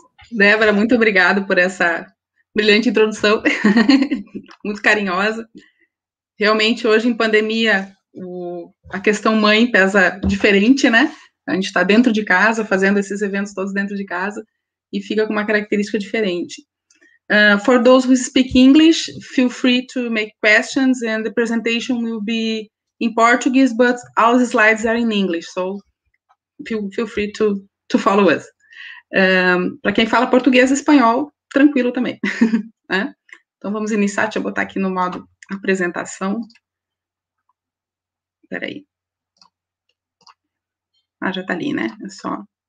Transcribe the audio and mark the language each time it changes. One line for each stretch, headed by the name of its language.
Portuguese: Débora, muito obrigada por essa brilhante introdução, muito carinhosa. Realmente, hoje em pandemia, a questão mãe pesa diferente, né? A gente está dentro de casa, fazendo esses eventos todos dentro de casa, e fica com uma característica diferente.
English: For those who speak English, feel free to make questions, and the presentation will be in Portuguese, but all the slides are in English, so feel free to follow us.
Portuguese: Para quem fala português e espanhol, tranquilo também, né? Então vamos iniciar. Deixa eu botar aqui no modo apresentação. Peraí. Ah, já tá ali, né? É só.